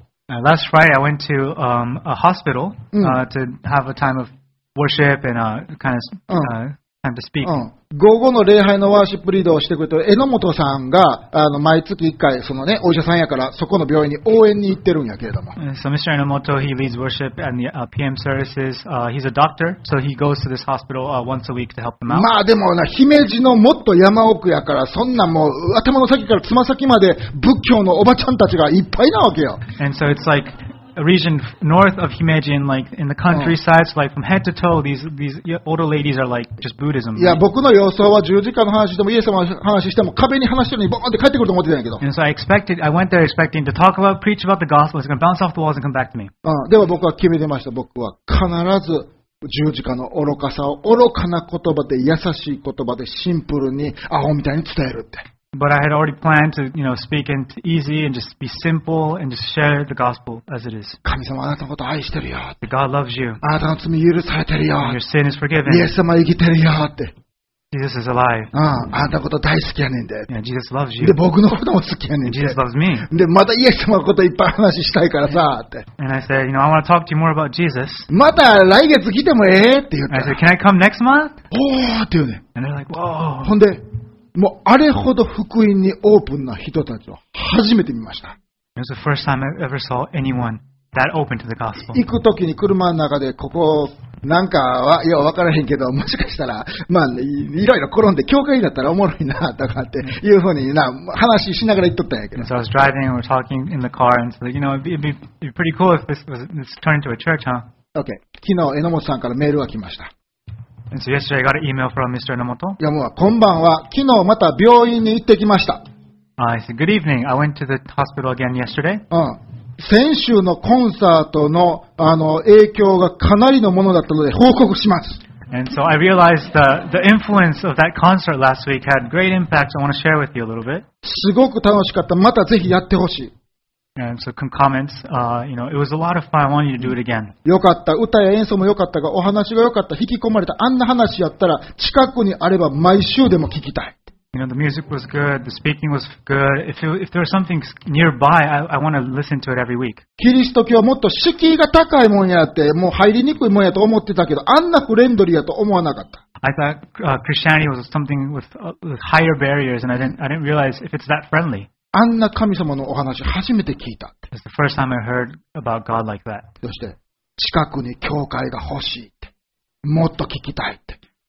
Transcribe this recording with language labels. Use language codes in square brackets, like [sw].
[en] Last Friday, I went to a hospital to have a time of worship and kind of time to speak. [ja] 午後の礼拝のワーシップリードをしてくれて、榎本さんが毎月1回その、ね、お医者さんやから、そこの病院に応援に行ってるんやけれども。 [en] So Mr. Enomoto, he leads worship and the PM services. He's a doctor, so he goes to this hospital once a week to help them out. [ja] まあでもな、姫路のもっと山奥やから、そんなもう頭の先からつま先まで仏教のおばちゃんたちがいっぱいなわけよ。 [en] And so it's like... A region north of Himeji, and like in the countryside, so like from head to toe, these older ladies are like just Buddhism. [ja] いや、僕の予想は十字架の話でもイエス様の話しても壁に話してるのにボーンって帰ってくると思ってたんやけど。 [en] And so I went there expecting to talk about, preach about the gospel. It's going to bounce off the walls and come back to me. [ja] でも僕は決めてました。僕は必ず十字架の愚かさを愚かな言葉で優しい言葉でシンプルにアホみたいに伝えるって。 [en] But I had already planned to, you know, speak into easy and just be simple and just share the gospel as it is. [ja] 神様あなたのこと愛してるよ。 [en] God loves you. [ja] あなたの罪許されてるよ。 [en] Your sin is forgiven. [ja] イエス様生きてるよって。 [en] Jesus is alive. [ja] あなたのこと大好きやねんで。 [en] Yeah, Jesus loves you. [ja] で、僕のことも好きやねんで。 [en] Jesus loves me. [ja] で、またイエス様のこといっぱい話したいからさって。 [en] And I said, you know, I want to talk to you more about Jesus. [ja] また来月来てもええって言った。 [en] I said, can I come next month? [ja] おーって言うね。 [en] And they're like, whoa. [ja] ほんで、もうあれほど福音にオープンな人たちを初めて見ました。 [en] It was the first time I ever saw anyone that open to the gospel. [ja] 行くときに車の中でここなんかはいや分からへんけどもしかしたらまあ、ね、いろいろ転んで教会だったらおもろいなとかっていうふうにな話しながら行っとったんやけど。 [en] So I was driving and we're talking in the car and so like, you know it'd be pretty cool if this turned into a church, huh? Okay. [ja] 昨日榎本さんからメールが来ました。 [en] And so yesterday I got an email from Mr. Enomoto. [ja] いやもうこんばんは。昨日また病院に行ってきました。 [en] I said, good evening. I went to the hospital again yesterday. [ja] 先週のコンサートの、影響がかなりのものだったので報告します。 [en] And so I realized the influence of that concert last week had great impact. I want to share with you a little bit. [ja] すごく楽しかった。またぜひやってほしい。 [en] And so comments, you know, it was a lot of fun. I want you to do it again. [ja] よかった。歌や演奏もよかったが、お話がよかった。引き込まれた。あんな話やったら、近くにあれば毎週でも聞きたい。 [en] You know, the music was good. The speaking was good. If there was something nearby, I want to listen to it every week. [ja] キリスト教はもっと敷居が高いもんやって、もう入りにくいもんやと思ってたけど、あんなフレンドリーやと思わなかった。 [en] I thought Christianity was something with higher barriers, and I didn't realize if it's that friendly. [ja] あんな神様のお話初めて聞いた。 [en] It's the first time I heard about God like that. [ja] そして近くに教会が欲しいって、もっと聞きたいって。